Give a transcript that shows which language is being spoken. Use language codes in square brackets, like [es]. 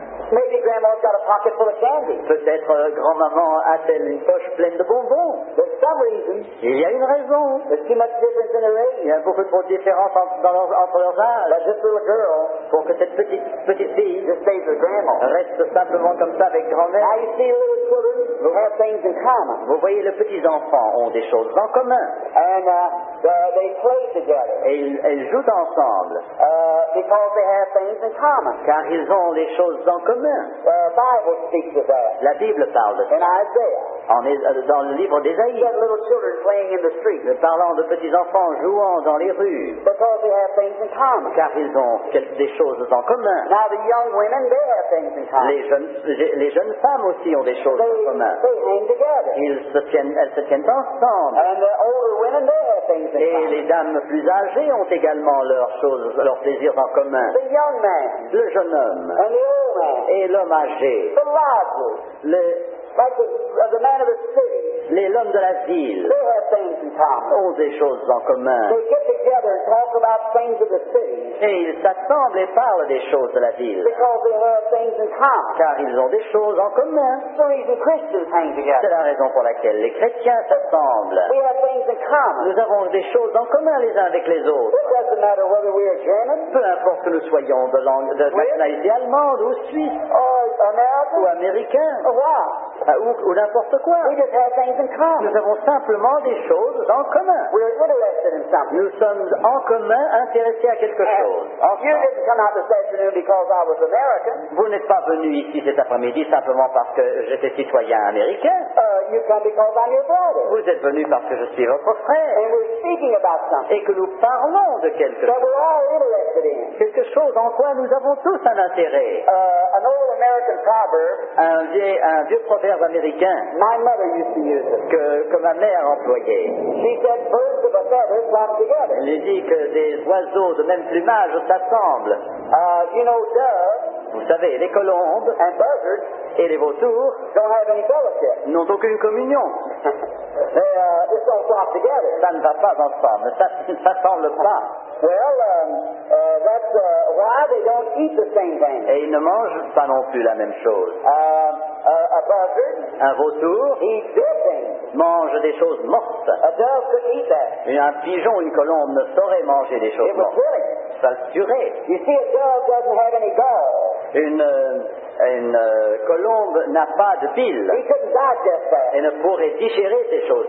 [en] Maybe grandma's got a pocket full of candy. [fr] Peut-être grand-maman a-t-elle une poche pleine de bonbons. [en] There's some reason. [fr] Il y a une raison. [en] There's too much difference in her age. [fr] Il y a beaucoup trop de différence entre leurs âges. [en] But this little girl, [fr] pour que cette petite fille [en] just stays with grandma. [fr] Reste simplement comme ça avec grand-mère. [en] Now you see little children, they have things in common. [fr] Vous voyez, les petits enfants ont des choses en commun. [en] And they play together. [fr] Et ils jouent ensemble. [en] Because they have things in common. [fr] Car ils ont les choses en commun. [en] The Bible speaks of that. [fr] La Bible parle de ça. [en] In Isaiah. [fr] Dans le livre d'Ésaïe. [en] That little children playing in the street. [fr] Parlant de petits enfants jouant dans les rues. [en] Because they have things in common. [fr] Car ils ont des choses en commun. [en] Now the young women, they have things in common. [fr] Les jeunes femmes aussi ont des choses en commun. [en] They hang together. [fr] Elles se tiennent ensemble. [en] And the older women, they have things in common. [fr] Et les dames plus âgées ont également leurs choses, leurs plaisirs en commun. [en] The young man. [fr] Le jeune homme. [en] And the old man. [fr] Et l'homme âgé. [en] The lively. The man of the city. [fr] L'homme de la ville. [en] They have things in common. [fr] Ont des choses en commun. [en] They get together and talk about things of the city. [fr] Et ils s'assemblent et parlent des choses de la ville. [en] Because they have things in common. [fr] Car ils ont des choses en commun. [en] So even Christians hang together. [fr] C'est la raison pour laquelle les chrétiens s'assemblent. [en] We have things in common. [fr] Nous avons des choses en commun les uns avec les autres. [en] It doesn't matter whether we are German. [fr] Peu importe que nous soyons de nationalité allemande ou suisse. [en] Or American. [fr] Ou américain. [en] Why? [fr] ou n'importe quoi. [en] We just have things in common. [fr] Nous avons simplement des choses en commun. [en] We're interested in something. [fr] Nous sommes en commun intéressés à quelque [en] and [fr] chose. [en] You didn't come out this afternoon because I was American. [fr] Vous n'êtes pas venu ici cet après-midi simplement parce que j'étais citoyen américain. [en] You come because I'm your brother. [fr] Vous êtes venu parce que je suis votre frère. [en] And we're speaking about something. [fr] Et que nous parlons de quelque [en] that [fr] chose. [en] We're all interested in. [fr] Quelque chose en quoi nous avons tous un intérêt. [en] An old American proverb. [fr] Un vieux proverbe américain. [en] My mother used to use it. [fr] Que ma mère employait. [en] She said, birds of a feather flock together. [fr] Elle dit que des oiseaux de même plumage s'assemblent. [en] You know, doves. [fr] Vous savez, les colombes [en] and buzzards [fr] et les vautours [en] don't have any fellowship. [fr] N'ont aucune communion. [en] They don't flock together. [fr] Ça ne va pas ensemble. Ça ne s'assemble pas. [en] Well, that's why they don't eat the same thing. [fr] Et ils ne mangent pas non plus la même chose. [en] A buzzard, [fr] un vautour [en] eats good things. [fr] Mange des choses mortes. [en] A dove could eat that. [fr] Et un pigeon, une colombe ne saurait manger des choses [en] it [fr] mortes. [en] It was killing. [fr] Ça le tuerait. [en] You see, a dove doesn't have any gall. [fr] Une colombe n'a pas de bile. [en] He couldn't digest that. [fr] Et ne pourrait digérer ces choses.